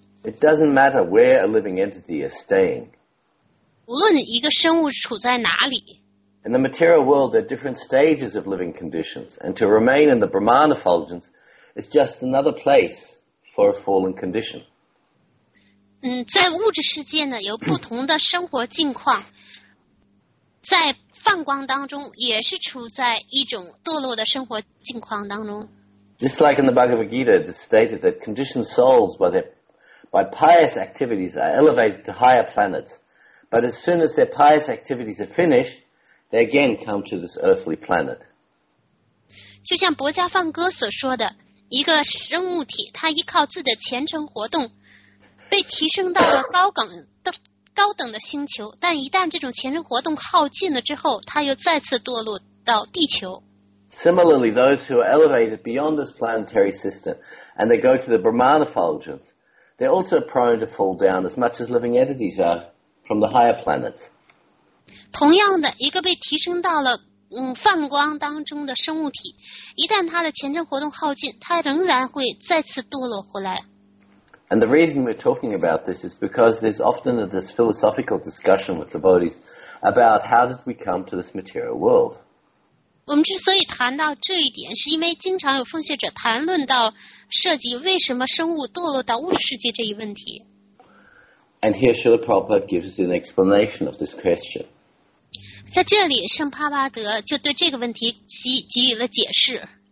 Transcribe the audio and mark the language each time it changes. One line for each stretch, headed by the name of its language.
English: It doesn't matter where a living entity is staying.
Chinese: 无论一个生物处在哪里。
English: In the material world, there are different stages of living conditions, and to remain in the Brahman effulgence is just another place for a fallen condition.
Chinese: 在物质世界呢，有不同的生活境况，在梵光当中也是处在一种堕落的生活境况当中。
English: Just like in the Bhagavad Gita, it's stated that conditioned souls by pious activities are elevated to higher planets. But as soon as their pious activities are finished, they again come to this earthly planet.
Chinese: 就像薄伽梵歌所说的，一个生物体，它依靠自己的虔诚活动，被提升到了高等的星球。但一旦这种虔诚活动耗尽了之后，它又再次堕落到地球。
English: Similarly, those who are elevated beyond this planetary system, and they go to the Brahman effulgence, they're also prone to fall down as much as living entities are from the higher planets.
Chinese: 同样的，一个被提升到了梵光当中的生物体，一旦它的前程活动耗尽，它仍然会再次堕落回来。
English: And the reason we're talking about this is because there's often this philosophical discussion with devotees about how did we come to this material world.
Chinese: 我们之所以谈到这一点，是因为经常有奉献者谈论到涉及为什么生物堕落到物质世界这一问题。
English: And here Srila Prabhupada gives us an explanation of this question.
Chinese: 在这里，圣帕巴德就对这个问题给予了解释。